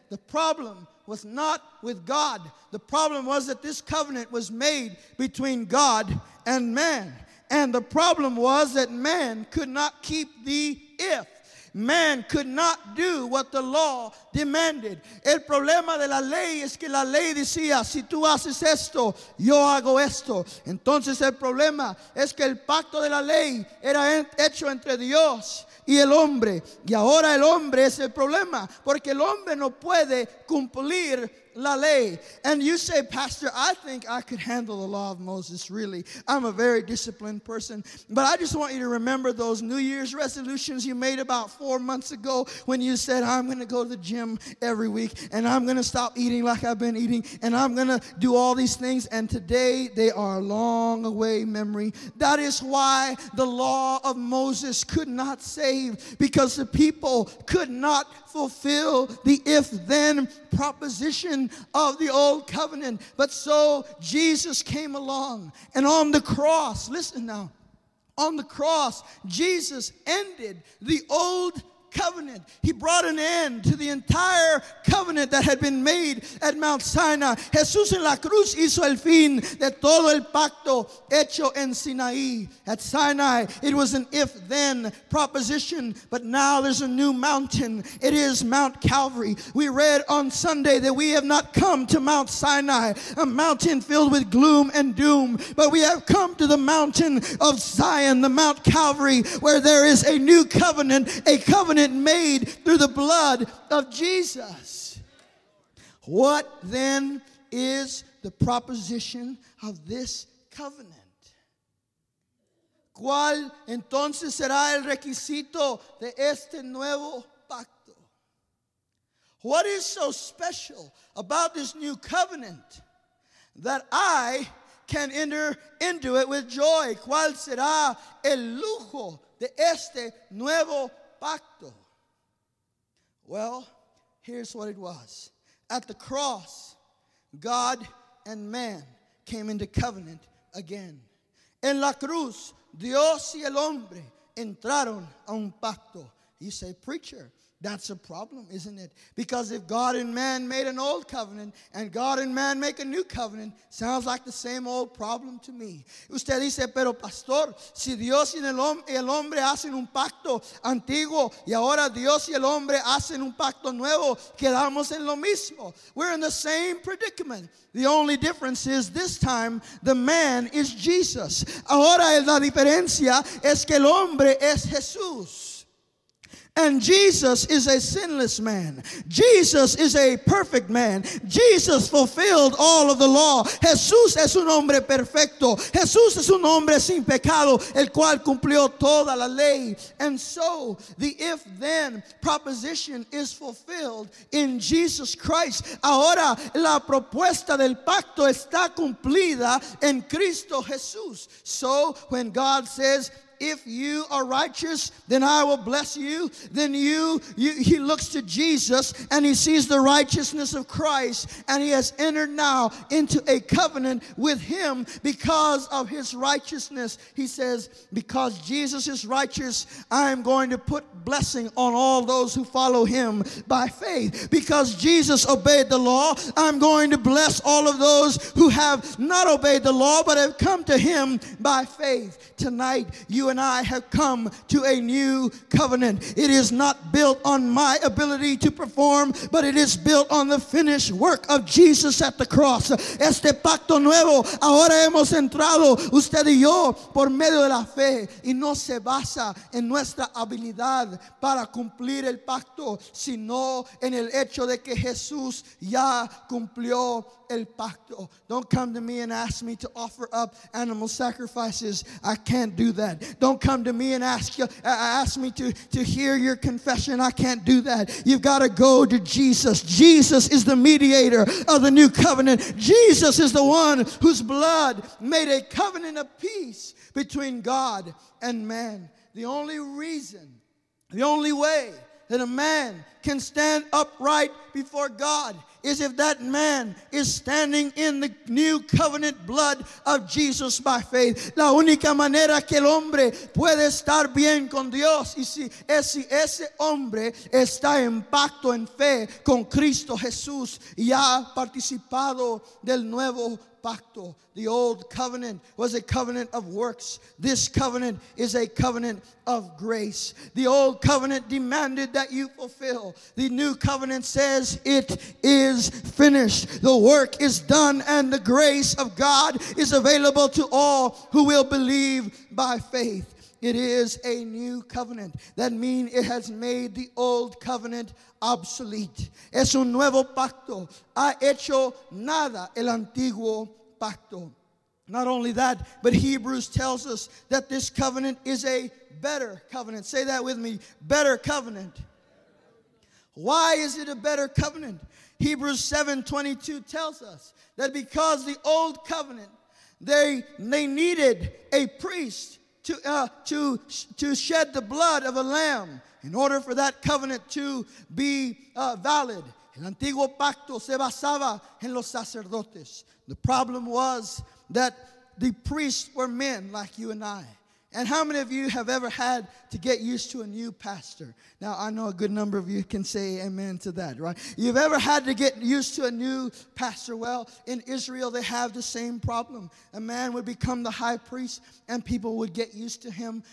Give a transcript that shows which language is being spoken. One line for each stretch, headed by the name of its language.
English: The problem was not with God. The problem was that this covenant was made between God and man. And the problem was that man could not keep the if. Man could not do what the law demanded.
Spanish: El problema de la ley es que la ley decía, si tú haces esto, yo hago esto. Entonces el problema es que el pacto de la ley era hecho entre Dios y el hombre. Y ahora el hombre es el problema, porque el hombre no puede cumplir la ley.
English: And you say, Pastor, I think I could handle the law of Moses, really. I'm a very disciplined person. But I just want you to remember those New Year's resolutions you made about 4 months ago when you said, I'm going to go to the gym every week, and I'm going to stop eating like I've been eating, and I'm going to do all these things. And today, they are long away memory. That is why the law of Moses could not save, because the people could not fulfill the if-then proposition of the old covenant. But so Jesus came along, and on the cross, listen now, on the cross, Jesus ended the old covenant. He brought an end to the entire covenant that had been made at Mount Sinai.
Spanish: Jesús en la cruz hizo el fin de todo el pacto hecho en Sinaí.
English: At Sinai, it was an if-then proposition, but now there's a new mountain. It is Mount Calvary. We read on Sunday that we have not come to Mount Sinai, a mountain filled with gloom and doom, but we have come to the mountain of Zion, the Mount Calvary, where there is a new covenant, a covenant made through the blood of Jesus. What then is the proposition of this covenant?
Spanish: ¿Cuál entonces será el requisito de este nuevo pacto?
English: What is so special about this new covenant that I can enter into it with joy?
Spanish: ¿Cuál será el lujo de este nuevo pacto?
English: Well, here's what it was. At the cross, God and man came into covenant again.
Spanish: En la cruz, Dios y el hombre entraron a un pacto.
English: You say, preacher, that's a problem, isn't it? Because if God and man made an old covenant and God and man make a new covenant, sounds like the same old problem to me.
Spanish: Usted dice, pero pastor, si Dios y el hombre hacen un pacto antiguo y ahora Dios y el hombre hacen un pacto nuevo, quedamos en lo mismo.
English: We're in the same predicament. The only difference is this time the man is Jesus.
Spanish: Ahora la diferencia es que el hombre es Jesús.
English: And Jesus is a sinless man. Jesus is a perfect man. Jesus fulfilled all of the law.
Spanish: Jesús es un hombre perfecto. Jesús es un hombre sin pecado, el cual cumplió toda la ley.
English: And so the if-then proposition is fulfilled in Jesus Christ.
Spanish: Ahora la propuesta del pacto está cumplida en Cristo Jesús.
English: So when God says, if you are righteous, then I will bless you. Then he looks to Jesus and he sees the righteousness of Christ, and he has entered now into a covenant with him because of his righteousness. He says, because Jesus is righteous, I am going to put blessing on all those who follow him by faith. Because Jesus obeyed the law, I'm going to bless all of those who have not obeyed the law but have come to him by faith. Tonight, you and I have come to a new covenant. It is not built on my ability to perform, but it is built on the finished work of Jesus at the cross.
Spanish: Este pacto nuevo, ahora hemos entrado usted y yo por medio de la fe, y no se basa en nuestra habilidad para cumplir el pacto, sino en el hecho de que Jesús ya cumplió el pacto.
English: Don't come to me and ask me to offer up animal sacrifices. I can't do that. Don't come to me and ask me to hear your confession. I can't do that. You've got to go to Jesus. Jesus is the mediator of the new covenant. Jesus is the one whose blood made a covenant of peace between God and man. The only reason, the only way that a man can stand upright before God is if that man is standing in the new covenant blood of Jesus by faith.
Spanish: La única manera que el hombre puede estar bien con Dios es si ese hombre está en pacto en fe con Cristo Jesús y ha participado del nuevo pacto.
English: The old covenant was a covenant of works. This covenant is a covenant of grace. The old covenant demanded that you fulfill. The new covenant says it is finished. The work is done, and the grace of God is available to all who will believe by faith. It is a new covenant. That means it has made the old covenant obsolete.
Spanish: Es un nuevo pacto. Ha hecho nada el antiguo pacto.
English: Not only that, but Hebrews tells us that this covenant is a better covenant. Say that with me, better covenant. Why is it a better covenant? Hebrews 7:22 tells us that because the old covenant, they needed a priest to shed the blood of a lamb in order for that covenant to be valid.
Spanish: El antiguo pacto se basaba en los sacerdotes.
English: The problem was that the priests were men like you and I. And how many of you have ever had to get used to a new pastor? Now, I know a good number of you can say amen to that, right? You've ever had to get used to a new pastor? Well, in Israel, they have the same problem. A man would become the high priest, and people would get used to him.